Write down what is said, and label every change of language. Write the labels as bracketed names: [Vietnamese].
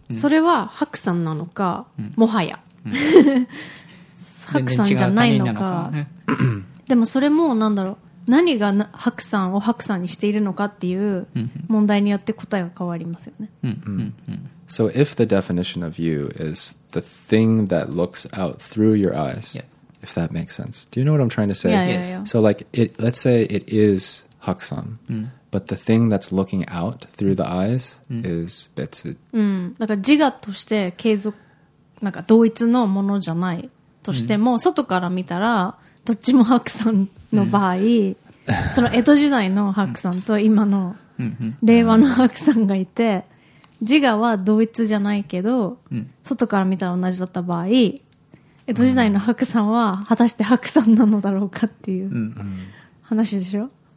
[Japanese] それはハクさんなのか、もはやハクさんじゃないのか。でもそれもなんだろう、何がハクさんをハクさんにしているのかっていう問題によって答えが変わりますよね。 [English] So if the definition of you is the thing that looks out through your eyes, if that makes sense. Do you know what I'm trying to say? Yeah, yes. So like, it, let's say it is Haksan, but the thing that's looking out through the eyes is Betsu. [Japanese] なんか自我として継続、なんか同一のものじゃないとしても、外から見たらどっちも Haksan の場合、その江戸時代の Haksan と今の令和の Haksan がいて、自我は同一じゃないけど、外から見たら同じだった場合、江戸時代の白さんは果たして白さんなのだろうかっていう話でしょ。